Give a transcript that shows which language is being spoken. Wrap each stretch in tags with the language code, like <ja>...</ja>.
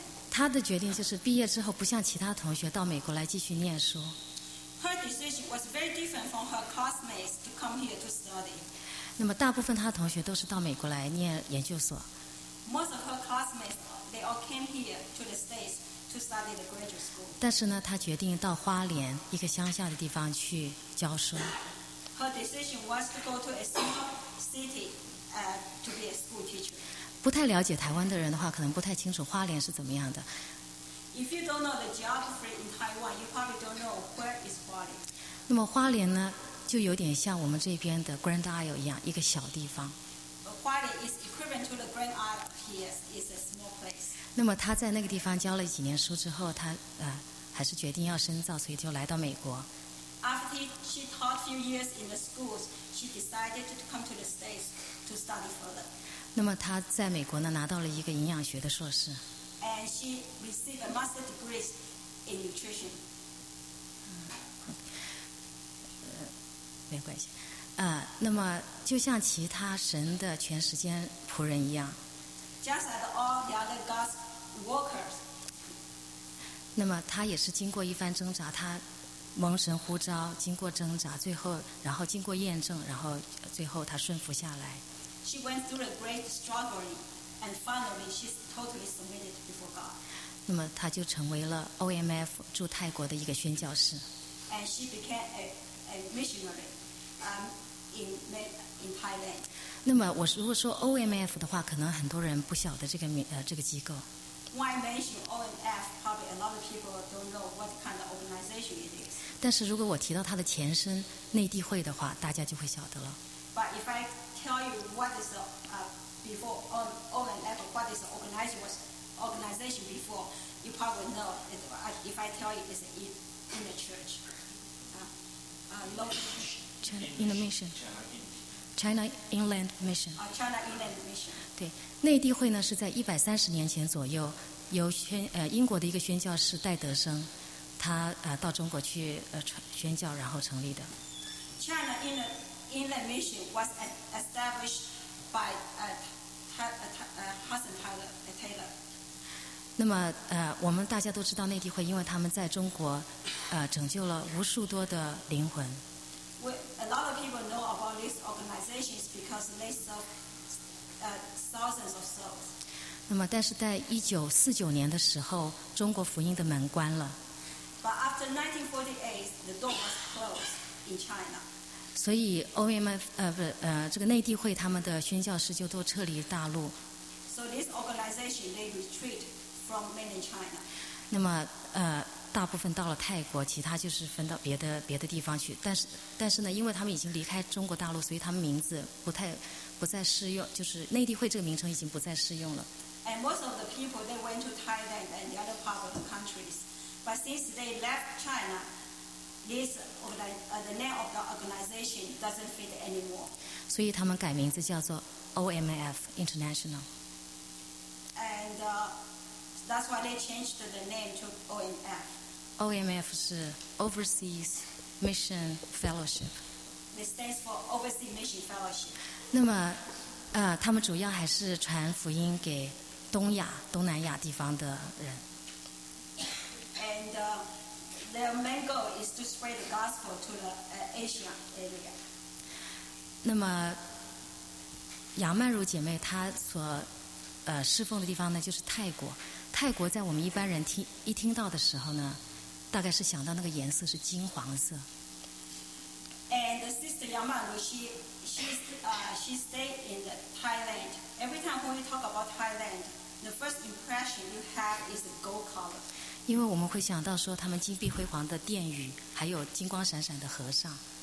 <zh>他的决定就是毕业之后不像其他同学到美国来继续念书。</zh> <en>Her decision was very different from her classmates to come here to study.</en> <zh>那么大部分他的同学都是到美国来念研究所。</zh> <en>Most of her classmates, they all came here to the States to study the graduate school.</en> <zh>但是呢，他决定到花莲一个乡下的地方去教书。</zh> <en>Her decision was to go to a single city to be a school teacher.</en> <zh>不太了解台湾的人的话，可能不太清楚花莲是怎么样的。</zh> <en>If you don't know the geography in Taiwan, you probably don't know where is 花莲。</en> <zh>那么花莲呢，就有点像我们这边的 Grand Isle 一样，一个小地方。</zh> <en>花莲 is equivalent to the Grand Isle. Yes, it's a small place.</en> <zh>那么他在那个地方教了几年书之后，他还是决定要深造，所以就来到美国。</zh> <en>After she taught a few years in the schools, she decided to come to the States to study further.</en> <zh>那么她在美国呢，拿到了一个营养学的硕士。</zh> <en>And she received a master's degree in nutrition. 嗯，</en> <zh>没关系。那么就像其他神的全时间仆人一样。</zh> <en>Just like all the other God's workers.</en> <zh>那么他也是经过一番挣扎，他蒙神呼召，经过挣扎，最后然后经过验证，然后最后他顺服下来。</zh> <en>She went through a great struggling, and finally she's totally submitted before God.</en> <zh>那么他就成为了 OMF 驻泰国的一个宣教士。</zh> <en>And she became a missionary, in Thailand.</en> <zh>那么我如果说 OMF 的话，可能很多人不晓得这个机构。</zh> <en>Why mention OMF? Probably a lot of people don't know what kind of organization it is.</en> <zh>但是如果我提到它的前身内地会的话，大家就会晓得了。</zh> <en>But if I tell you what is OMF, what is organization before, you probably know it. If I tell you it's in the church, local mission. China Inland Mission. China Inland Mission.</en> <zh>对，内地会呢是在130年前左右，由英国的一个宣教士戴德生，他到中国去宣教，然后成立的。</zh> <en>China Inland Mission was established by Hudson Taylor.</en> <zh>那么我们大家都知道内地会，因为他们在中国拯救了无数多的灵魂。</zh> <en>A lot of people know about these organizations because they serve thousands of souls.</en> <zh>那么，但是在1949年的时候，中国福音的门关了。</zh> <en>But after 1948, the door was closed in China.</en> <zh>所以 OMF 这个内地会他们的宣教士就都撤离大陆。</zh> <en>So this organization they retreat from mainland China.</en> <zh>那么大部分到了泰国，其他就是分到别的地方去。但是呢，因为他们已经离开中国大陆，所以他们名字不再适用，就是内地会这个名称已经不再适用了。</zh> <en>And most of the people they went to Thailand and the other part of the countries, but since they left China, this the name of the organization doesn't fit anymore.</en> <zh>所以他们改名字叫做 OMF International.</zh> <en>And that's why they changed the name to OMF. OMF is Overseas Mission Fellowship. It stands for Overseas Mission Fellowship.</en> <zh>那么，他们主要还是传福音给东南亚地方的人。</zh> <en>And their main goal is to spread the gospel to the Asia area.</en> <zh>那么，杨曼如姐妹她所侍奉的地方呢，就是泰国。泰国在我们一般人听到的时候呢，大概是想到那个颜色是金黄色。</zh> <en>And Sister Yang Manru, she stayed in the Thailand. Every time when you talk about Thailand, the first impression you have is gold color.</en> <zh>因为我们会想到说他们金碧辉煌的殿宇，还有金光闪闪的和尚。</zh>